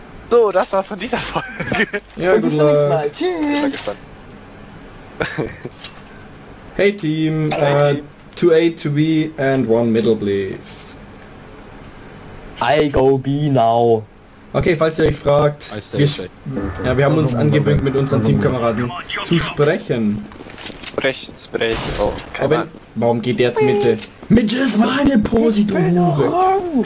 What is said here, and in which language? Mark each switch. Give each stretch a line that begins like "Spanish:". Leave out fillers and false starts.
German: So, das war's von dieser Folge. Ja, gut. Bis zum nächsten Mal. Tschüss.
English: Hey Team, 2A, 2B and 1 middle please. I go B now.
German: Okay, falls ihr euch fragt, wir haben uns angewöhnt mit unseren Teamkameraden zu sprechen. Sprech, oh, aber warum geht der jetzt Mitte? Mitte ist meine Pose, du Hure!